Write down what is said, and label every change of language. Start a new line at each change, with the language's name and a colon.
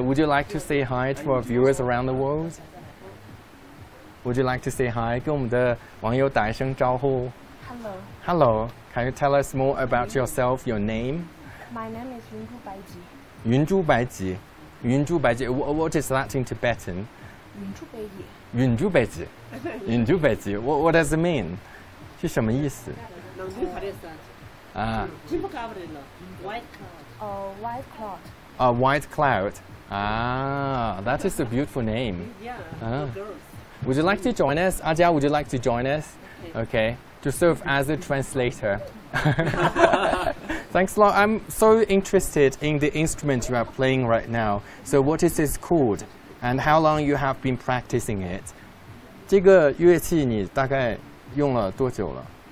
English: Would you like to say hi to our viewers around the world? Would you like to say hi?
Chinese: 跟我们的网友打一声招呼。
English: Hello. Hello. Can you tell us more about yourself, your name? My name is 云珠白吉. 云珠白吉.云珠白吉.What is that in Tibetan?
Chinese: 云珠白吉.
English: 云珠白吉.What does it mean?
Chinese: 是什么意思?
English: White cloud. Ah, that is a beautiful name. Yeah. Would you like to join us? Adia, would you like to join us? Okay. To serve as a translator. Thanks a lot. I'm so interested in the instrument you are playing right now. So what is this called? And how long you have been practicing it?
Chinese: 这个乐器你大概用了多久了?